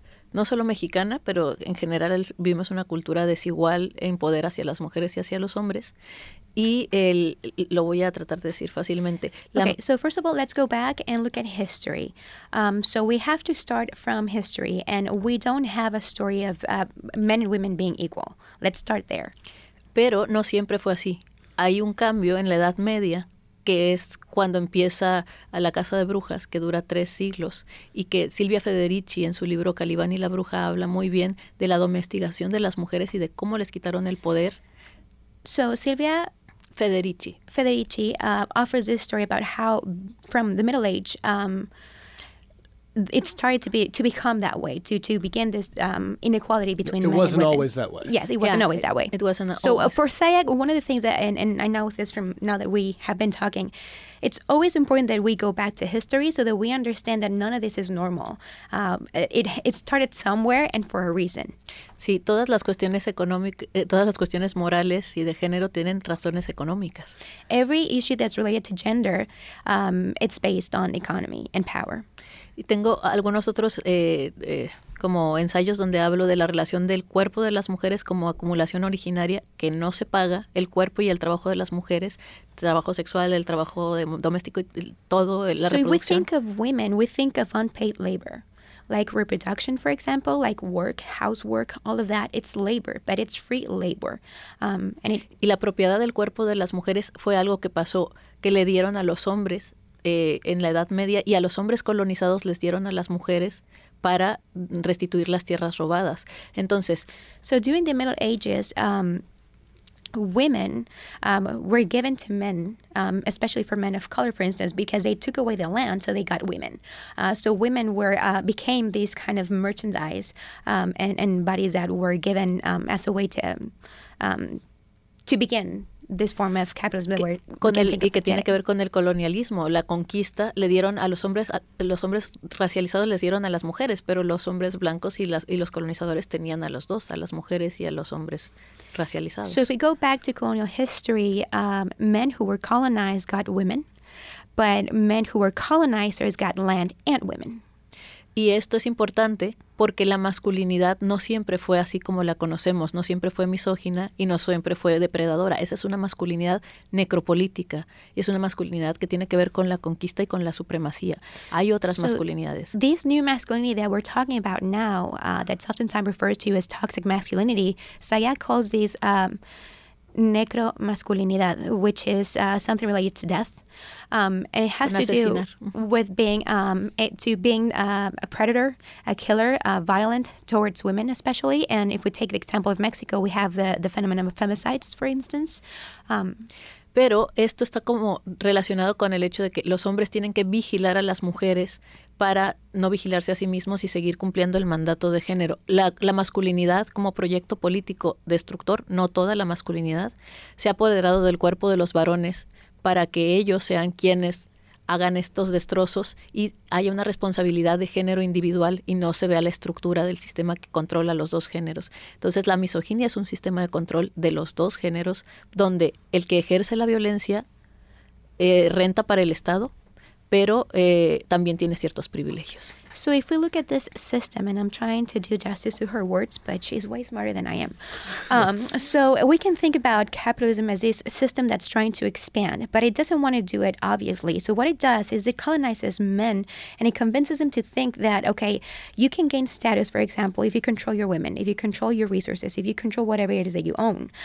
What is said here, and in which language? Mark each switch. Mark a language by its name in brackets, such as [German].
[Spanish] No solo mexicana, pero en general vivimos una cultura desigual en poder hacia las mujeres y hacia los hombres. Y lo voy a tratar de decir fácilmente. [English] Okay, so first of all, let's go back and look at history. So we have to start from history, and we don't have a story of men and women being equal. Let's start there. [Spanish] Pero no siempre fue así. Hay un cambio en la Edad Media, que es cuando empieza a la Casa de Brujas, que dura 3 siglos, y que Silvia Federici, en su libro Calibán y la Bruja, habla muy bien de la domesticación de las mujeres y de cómo les quitaron el poder. [English] So, Silvia Federici. Federici offers this story about how, from the Middle Age, it started to become that way, to begin this inequality between men and women. It wasn't always that way. Yes, it wasn't always that way. It wasn't always. So for SAIAG, one of the things, and I know this from now that we have been talking, it's always important that we go back to history so that we understand that none of this is normal. It started somewhere and for a reason. [Spanish] Sí, todas las cuestiones todas las cuestiones morales y de género tienen razones económicas. [English] Every issue that's related to gender, it's based on economy and power. [Spanish] Y tengo algunos otros como ensayos donde hablo de la relación del cuerpo de las mujeres como acumulación originaria que no se paga, el cuerpo y el trabajo de las mujeres, el trabajo sexual, el trabajo doméstico, todo, la reproducción. [English] So if we think of women, we think of unpaid labor. Like reproduction, for example, like work, housework, all of that, it's labor, but it's free labor. [Spanish] Y la propiedad del cuerpo de las mujeres fue algo que pasó, que le dieron a los hombres en la Edad Media, y a los hombres colonizados les dieron a las mujeres para restituir las tierras robadas. Entonces, [English] so during the Middle Ages, women were given to men, especially for men of color, for instance, because they took away the land, so they got women. So women were became these kind of merchandise and bodies that were given as a way to begin this form of capitalism that [Spanish] que tiene que ver con el colonialismo, la conquista. Le dieron a los hombres, los hombres racializados les dieron a las mujeres, pero los hombres blancos y los colonizadores tenían a los dos, a las mujeres y a los hombres racializados. [English] So if we go back to colonial history, men who were colonized got women, but men who were colonizers got land and women. [Spanish] Y esto es importante porque la masculinidad no siempre fue así como la conocemos, no siempre fue misógina y no siempre fue depredadora. Esa es una masculinidad necropolítica y es una masculinidad que tiene que ver con la conquista y con la supremacía. Hay otras masculinidades. [English] This new masculinity that we're talking about now, that's oftentimes referred to as toxic masculinity, Sayak calls this necromasculinidad, which is something related to death. And it has to do with being a predator, a killer, violent towards women especially. And if we take the example of Mexico, we have the phenomenon of femicides, for instance. [Spanish] Pero esto está como relacionado con el hecho de que los hombres tienen que vigilar a las mujeres para no vigilarse a sí mismos y seguir cumpliendo el mandato de género. La masculinidad como proyecto político destructor, no toda la masculinidad, se ha apoderado del cuerpo de los varones para que ellos sean quienes hagan estos destrozos y haya una responsabilidad de género individual y no se vea la estructura del sistema que controla los dos géneros. Entonces, la misoginia es un sistema de control de los dos géneros donde el que ejerce la violencia renta para el Estado, pero también tiene ciertos privilegios. [English] So if we look at this system, and I'm trying to do justice to her words, but she's way smarter than I am. So we can think about capitalism as this system that's trying to expand, but it doesn't want to do it, obviously. So what it does is it colonizes men, and it convinces them to think that, okay, you can gain status, for example, if you control your women, if you control your resources, if you control whatever it is that you own.